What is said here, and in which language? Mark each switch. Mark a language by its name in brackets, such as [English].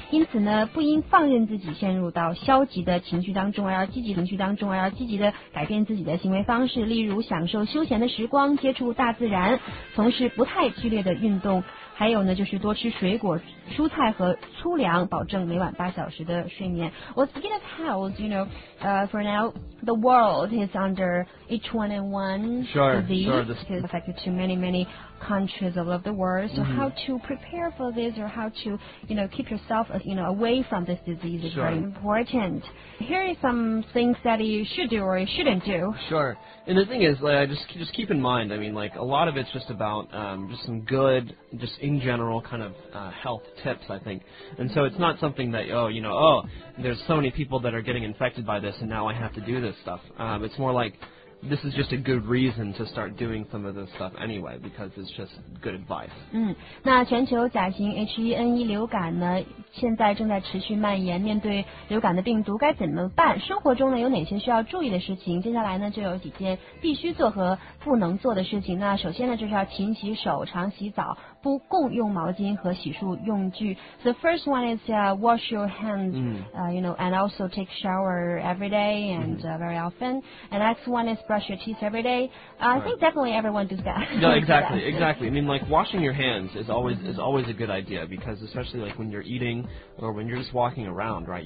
[Chinese] 因此呢，不应放任自己陷入到消极的情绪当中，而要积极情绪当中，而要积极的改变自己的行为方式，例如享受休闲的时光，接触大自然，从事不太剧烈的运动。还有呢，就是多吃水果、蔬菜和粗粮，保证每晚8小时的睡眠。 [English] Well, speaking of health, you know, for now, the world is under H1N1 disease, sure, affected to many, many countries all over the world. So how to prepare for this or how to, you know, keep yourself, you know, away from this disease is very important. Here are some things that you should do or you shouldn't do. Sure. And the thing is, like, just keep in mind, I mean, like, a lot of it's just about just some good, justin general kind of health tips, I think. And so it's not something that, there's so many people that are getting infected by this and now I have to do this stuff. It's more like, this is just a good reason to start doing some of this stuff anyway, because it's just good advice. [Chinese] 那全球甲型 H1N1 流感呢，现在正在持续蔓延，面对流感的病毒该怎么办？生活中呢，有哪些需要注意的事情？接下来呢，就有几件必须做和不能做的事情。那首先呢，就是要勤洗手，常洗澡，不共用毛巾和洗漱用具。 [English] The first one is wash your hands, you know, and also take shower every day and very often. And next one is brush your teeth every day. I think definitely everyone does that. No, exactly, exactly. I mean, like washing your hands is always a good idea, because especially like when you're eating or when you're just walking around, right?